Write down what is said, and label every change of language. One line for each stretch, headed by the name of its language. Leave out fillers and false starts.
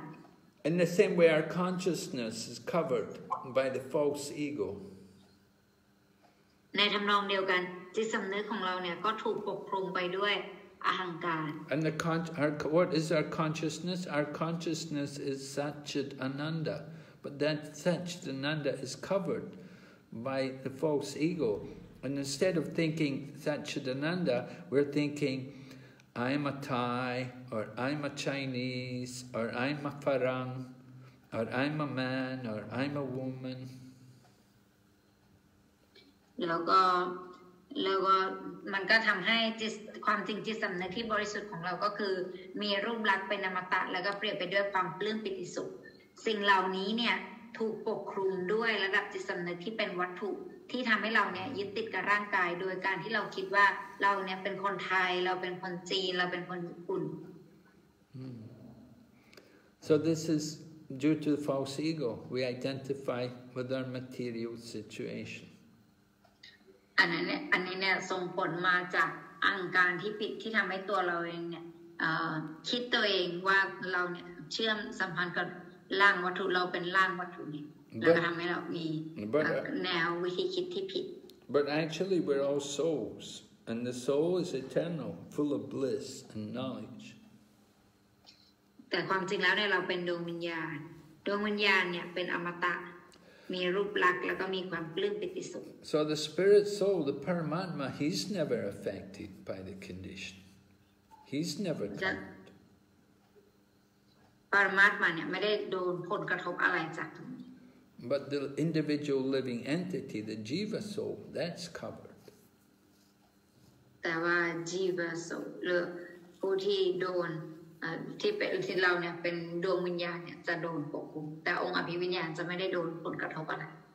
English: In the same way, our consciousness is covered by the false ego.
Thai: ในทำนองเดียวกันจิตสำนึกของเราเนี่ยก็ถูกปกคลุมไปด้วย
English: Ahankar. And the what is our consciousness? Our consciousness is Satchit-ananda, but that Satchit-ananda is covered by the false ego. And instead of thinking Satchit-ananda, we're thinking, I'm a Thai, or I'm a Chinese, or I'm a Farang, or I'm a man, or I'm a woman.
Thai: แล้วก็มันก็ทำให้จิตความจริงจิตสำนึกที่บริสุทธิ์ของเราก็คือมีรูปลักษณ์เป็นอมตะแล้วก็เปรียบไปด้วยความปลื้มปิติสุขสิ่งเหล่านี้เนี่ยถูกปกคลุมด้วยระดับจิตสำนึกที่เป็นวัตถุที่ทำให้เราเนี่ยยึดติดกับร่างกายโดยการที่เราคิดว่าเราเนี่ยเป็นคนไทยเราเป็นคนจีนเราเป็นคนญี่ปุ่น
English: So this is due to the false ego we identify with our material situation
Thai: อันนี้เนี่ยส่งผลมาจากอังการที่ปิดที่ทำให้ตัวเราเองเนี่ยคิดตัวเองว่าเราเนี่ยเชื่อมสัมพันธ์กับร่างวัตถุเราเป็นร่างวัตถุนี่แล้วก็ทำให้เรามีแนววิธีคิดที่ผิด
English: But actually we're all souls and the soul is eternal full of bliss and knowledge
Thai: แต่ความจริงแล้วเนี่ยเราเป็นดวงวิญญาณดวงวิญญาณเนี่ยเป็นอมตะมีรูปลักษณ์แล้วก็มีความปลื้มปิติสุข
English: So the spirit soul, the Paramatma, he's never affected by the condition. He's never touched.
Thai: Paramatma เนี่ยไม่ได้โดนผลกระทบอะไรจากตรงนี้
English: But the individual living entity, the Jiva soul, that's covered.
Thai: แต่ว่า Jiva soul ผู้ที่โดนที่เราเนี่ยเป็นดวงวิญญาณเนี่ยจะโดนปกคลุมแต่องค์อภิวิญญาณจะไม่ได้โดนผลกระทบอะไร